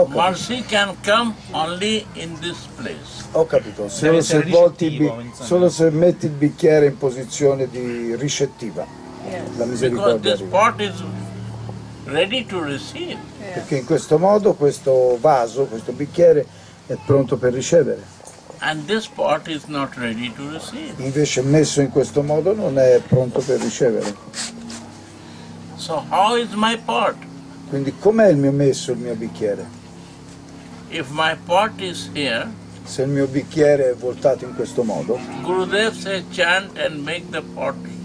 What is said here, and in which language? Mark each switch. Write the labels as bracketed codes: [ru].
[en] Mercy can come only in this place. [it] Ho capito, solo se, volti solo se metti il bicchiere in posizione di ricettiva. [en] Yes. [it] La misericordia. [en] Because this pot is ready to receive. [it] Perché in questo modo questo vaso, questo bicchiere è pronto per ricevere. [en] And this part is not ready to receive. [it] Invece messo in questo modo non è pronto per ricevere. [en] So how is my part? [it] Quindi com'è il mio messo, il mio bicchiere? [en] If my part is here, [it] se il mio bicchiere è voltato in questo modo, [en] Gurudev say chant and make the pot.